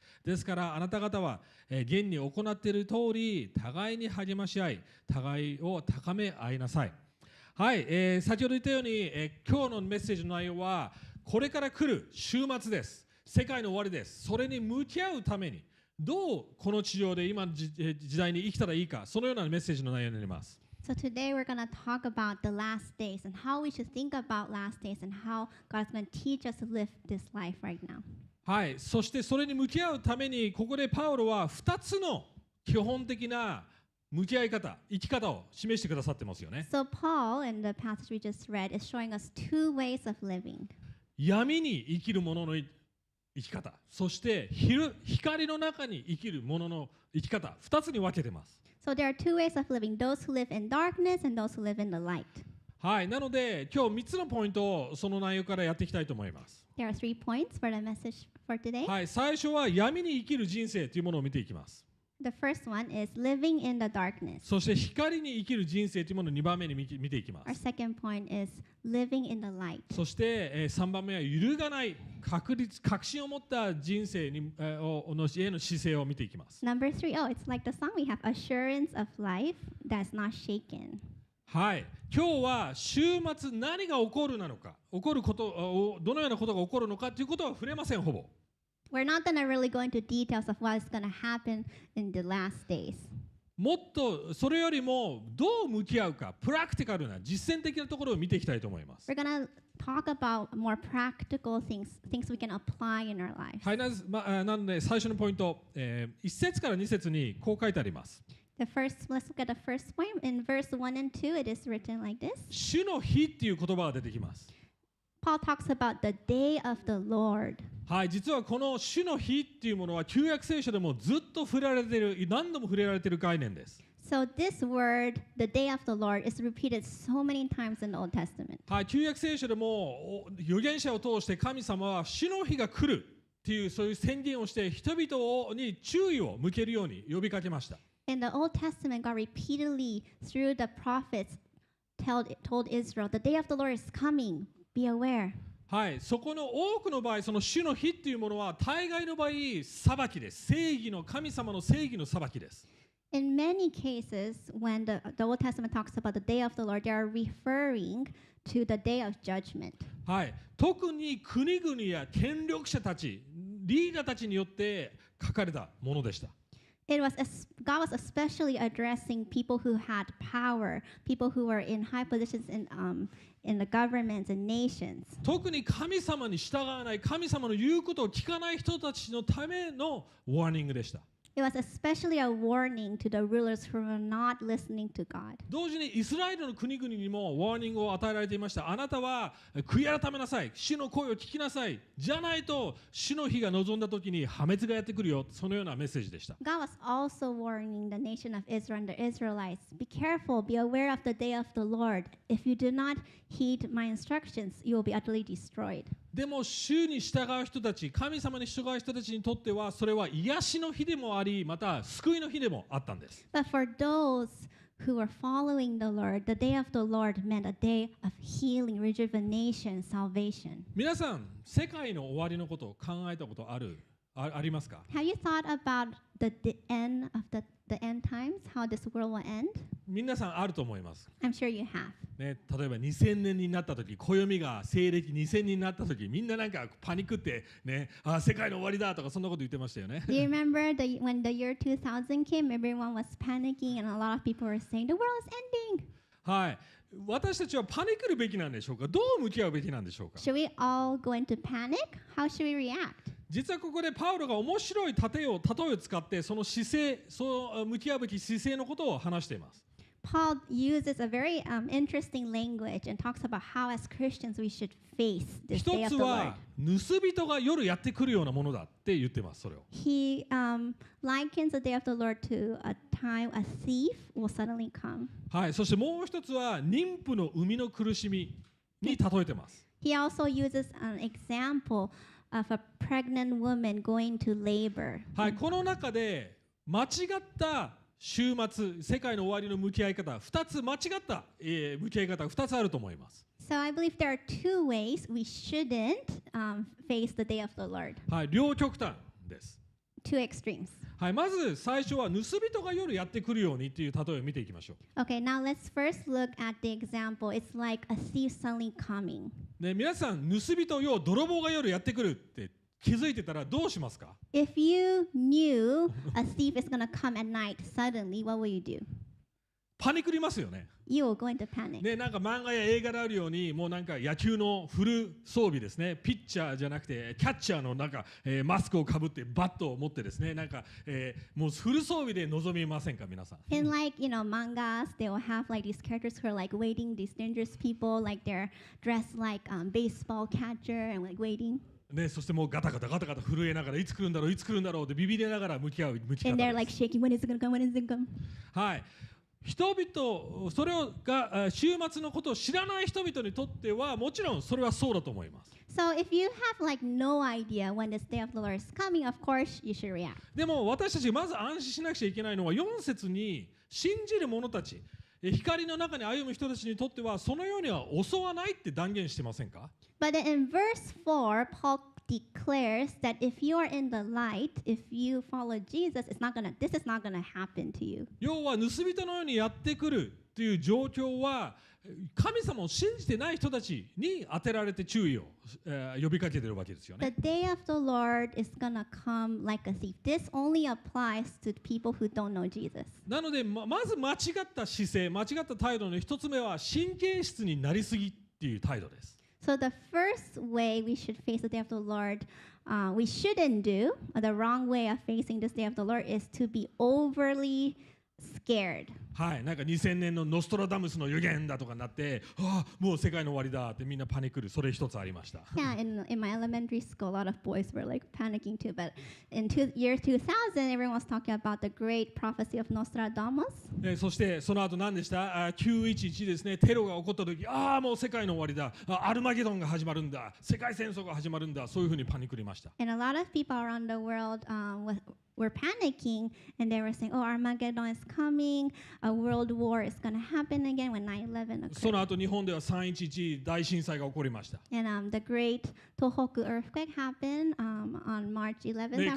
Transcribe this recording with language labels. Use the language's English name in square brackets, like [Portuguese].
[Japanese] ですからあなた方は現に行っている通り、互いに励まし合い、互いを高め合いなさい。はい、先ほど言ったように、今日のメッセージの内容はこれから来る週末です。世界の終わりです。それに向き合うためにどうこの地上で今の時代に生きたらいいか、そのようなメッセージの内容になります。 [English] So today we're going to talk about the last days and how we should think about last days and how God's going to teach us to live this life right now. [Japanese] はい、そしてそれに向き合うためにここでパウロは2つの基本的な向き合い方、生き方を示してくださってますよね。 [English] So Paul in the passage we just read is showing us two ways of living. [Japanese] 闇に生きる者の生き方、そして光の中に生きる者の生き方、二つに分けてます。 [English] So there are two ways of living: those who live in darkness and those who live in the light. [Japanese] はい、なので今日三つのポイントをその内容からやっていきたいと思います。 [English] There are three points for the message for today. [Japanese] はい、最初は闇に生きる人生というものを見ていきます。 [English] The first one is living in the darkness. [Japanese] そして光に生きる人生というものを2番目に見ていきます。 [English] Our second point is living in the light. [Japanese] そして、3番目は揺るがない確信を持った人生に、への姿勢を見ていきます。 [English] Number three, oh, it's like the song we have, assurance of life that's not shaken. [Japanese] はい、今日は週末何が起こるなのか、起こること、どのようなことが起こるのかということは触れません、ほぼ。 [English] We're not going to really go into details of what's going to happen in the last days. [Japanese] もっとそれよりもどう向き合うか、プラクティカルな実践的なところを見ていきたいと思います。 [English] We're going to talk about more practical things, things we can apply in our life. [Japanese] はい、なので最初のポイント、1節から2節にこう書いてあります。 [English] The first, let's look at the first point. In verse 1 and 2, it is written like this. [Japanese] 主の日っていう言葉が出てきます。 [English] Paul talks about the day of the Lord. [Japanese] はい、実はこの主の日っていうものは旧約聖書でもずっと触れられている、何度も触れられている概念です。 [English] So this word, the day of the Lord, is repeated so many times in the Old Testament. [Japanese] はい、旧約聖書でも預言者を通して神様は主の日が来るっていうそういう宣言をして人々に注意を向けるように呼びかけました。 [English] In the Old Testament, God repeatedly through the prophets told Israel, the day of the Lord is coming. Be aware. [Japanese] はい、そこの多くの場合、その主の日っていうものは大概の場合裁きです。正義の神様の正義の裁きです。 [English] In many cases, when the Old Testament talks about the day of the Lord, they are referring to the day of judgment. [Japanese] はい、特に国々や権力者たち、リーダーたちによって書かれたものでした。 [English] God was especially addressing people who had power, people who were in high positions in the governments and nations. [Japanese] 特に神様に従わない、神様の言うことを聞かない人たちのためのワーニングでした。 [English] It was especially a warning to the rulers who were not listening to God. [Japanese] 同時にイスラエルの国々にもワーニングを与えられていました。あなたは悔い改めなさい、主の声を聞きなさい。じゃないと主の日が望んだ時に破滅がやってくるよ。そのようなメッセージでした。 [English] God was also warning the nation of Israel and the Israelites, be careful, be aware of the day of the Lord. If you do not heed my instructions, you will be utterly destroyed. [Japanese] でも主に従う人たち、神様に従う人たちにとってはそれは癒しの日でもあり、また救いの日でもあったんです。 [English] But for those who were following the Lord, the day of the Lord meant a day of healing, rejuvenation, salvation. [Japanese] 皆さん、世界の終わりのことを考えたことありますか？ [English] Have you thought about the end of the end times, how this world will end? [Japanese] 皆さんあると思います。 [English] I'm sure you have. [Japanese] ね、例えば2000年になったとき、暦が西暦2000年になったとき、みんななんかパニックって、ね、あ、世界の終わりだとかそんなこと言ってましたよね。 [English] Do you remember when the year 2000 came, everyone was panicking and a lot of people were saying the world is ending. [Japanese] はい。私たちはパニックるべきなんでしょうか？どう向き合うべきなんでしょうか？ [English] Should we all go into panic? How should we react? [Japanese] 実はここでパウロが面白い例えを使って、その姿勢、その向き合うべき姿勢のことを話しています。 [English] Paul uses a very interesting language and talks about how as Christians we should face this day of the Lord. [Japanese] 一つは盗人が夜やってくるようなものだって言ってます。それを。 [English] He likens the day of the Lord to a time a thief will suddenly come. [Japanese] はい、そしてもう一つは妊婦の産みの苦しみに例えてます。 [English] He also uses an example of a pregnant woman going to labor. [Japanese] はい、この中で間違った週末、世界の終わりの向き合い方、二つ間違った、向き合い方、二つあると思います。 [English] So I believe there are two ways we shouldn't, face the day of the Lord. [Japanese] はい、両極端です。 [English] Two extremes. [Japanese] はい、まず最初は盗人が夜やってくるようにっていう例えを見ていきましょう。 [English] Okay, now let's first look at the example. It's like a thief suddenly coming. [Japanese] ね、皆さん、盗人、要は泥棒が夜やってくるって。気づいてたらどうしますか？ [English] If you knew a thief is going to come at night suddenly, what will you do? [Japanese] パニクりますよね。 [English] You will go into panic. [Japanese] ね、なんか漫画や映画であるように、もうなんか野球のフル装備ですね。ピッチャーじゃなくてキャッチャーのなんか、マスクをかぶってバットを持ってですね、なんか、もうフル装備で臨みませんか、皆さん。 [English] In like you know mangas, they will have like these characters who are like waiting these dangerous people, like they're dressed like baseball catcher and like waiting. [Japanese] ね、そしてもうガタガタガタガタ震えながらいつ来るんだろういつ来るんだろうってビビりながら向き合う向き方です。 [English] And they're like shaking, when is it gonna come? When is it gonna come? [Japanese] はい、人々それをが週末のことを知らない人々にとってはもちろんそれはそうだと思います。 [English] So if you have like no idea when this day of the Lord is coming, of course you should react. [Japanese] でも私たちまず安心しなくちゃいけないのは4節に信じる者たち、光の中に歩む人たちにとってはそのようには襲わないって断言してませんか？ [English] But in verse 4, Paul declares that if you are in the light, if you follow Jesus, this is not going to happen to you. [Japanese] 要は盗人のようにやってくるという状況は神様を信じてない人たちに当てられて注意を、呼びかけているわけですよね。 [English] The day of the Lord is gonna come like a thief. This only applies to people who don't know Jesus. [Japanese] なので まず間違った姿勢、間違った態度の一つ目は神経質になりすぎっていう態度です。 [English] So the first way we should face the day of the Lord, we shouldn't do, the wrong way of facing this day of the Lord is to be overly scared. [Japanese] はい、なんか2000年のノストラダムスの予言だとかになって、はあ、もう世界の終わりだってみんなパニクる、それ一つありました。 [English] Yeah, in my elementary school, a lot of boys were like panicking too, but in year 2000, everyone was talking about the great prophecy of Nostradamus. [Japanese] そしてその後何でした？911 ですね、テロが起こった時、ああ、もう世界の終わりだ、アルマゲドンが始まるんだ、世界戦争が始まるんだ、そういうふうにパニクりました。 [English] And a lot of people around the world, were panicking and they were saying, oh, Armageddon is coming, a world war is going to happen again when 9/11 occurred. [Japanese] その後日本では311大震災が起こりました。 [English] And the great Tohoku earthquake happened on March 11th after that.